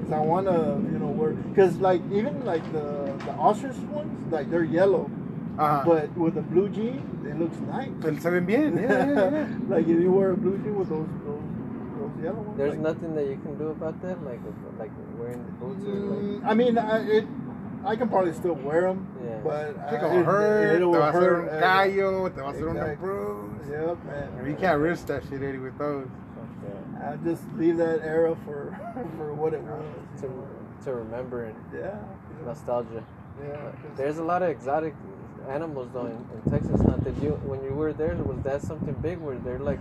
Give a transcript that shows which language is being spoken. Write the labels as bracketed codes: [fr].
[en] I want to, you know, wear, because like even like the ostrich ones, like they're yellow, but with a blue jean, it looks nice. [es] Se ven bien. Yeah. [en] Like if you wear a blue jean with those yellow ones. There's like, nothing that you can do about that, like wearing the boots. I mean, I can probably still wear them, but it'll hurt. [es] Callo, te va a hacer un bruise. [en] Yep, man. You can't risk that shit anyway with those. I just leave that era for what it was. To remember it. Yeah. Nostalgia. Yeah. There's a lot of exotic animals though in Texas. Not that you, when you were there, was that something big where they're like